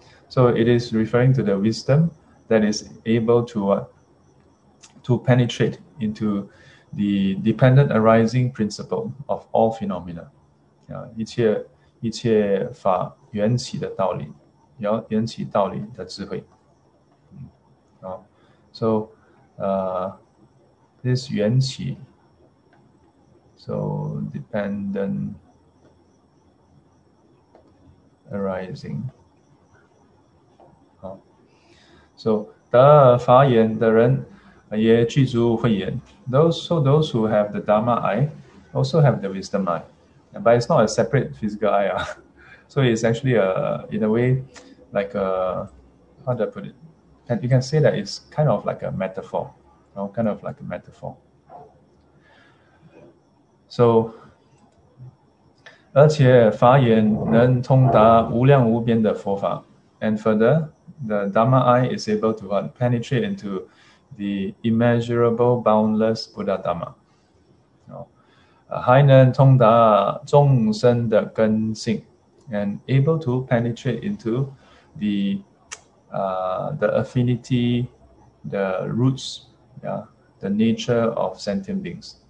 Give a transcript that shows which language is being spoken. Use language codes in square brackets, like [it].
[en] So it is referring to the wisdom that is able to penetrate into the dependent arising principle of all phenomena. [zh] Yeah, 一切法缘起的道理, 缘起道理的智慧. [en] So this 缘起, so dependent arising. [zh] So the 法眼的人 也具足慧眼. [en] Those who have the Dharma eye also have the wisdom eye. But it's not a separate physical eye. Ah. So it's actually, in a way, like a, how do I put it? And you can say that it's kind of like a metaphor. You know, kind of like a metaphor. [zh] So, 而且法眼能通达无量无边的佛法. [en] And further, the Dharma eye is able to penetrate into the immeasurable, boundless Buddha Dharma. [zh] 还能通达众生的根性, [en] and able to penetrate into the affinity, the roots, yeah, the nature of sentient beings.